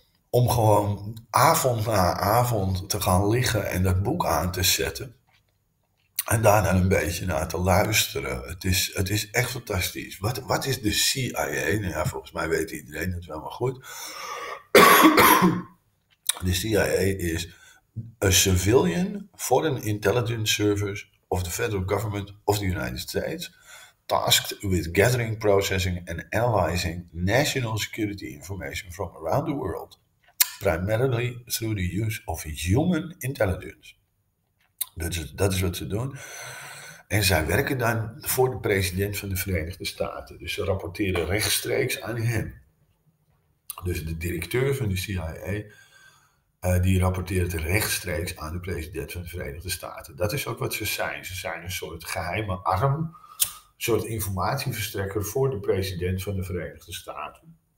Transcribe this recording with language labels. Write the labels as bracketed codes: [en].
[nl] Om gewoon avond na avond te gaan liggen en dat boek aan te zetten. En daarna een beetje naar te luisteren. Het is echt fantastisch. Wat is de CIA? Nou ja, volgens mij weet iedereen dat wel maar goed. [en] De CIA is a civilian foreign intelligence service of the federal government of the United States. Tasked with gathering, processing and analyzing national security information from around the world. Primarily through the use of human intelligence. [nl] Dat is wat ze doen. En zij werken dan voor de president van de Verenigde Staten. Dus ze rapporteren rechtstreeks aan hem. Dus de directeur van de CIA, die rapporteert rechtstreeks aan de president van de Verenigde Staten. Dat is ook wat ze zijn. Ze zijn een soort geheime arm, een soort informatieverstrekker voor de president van de Verenigde Staten.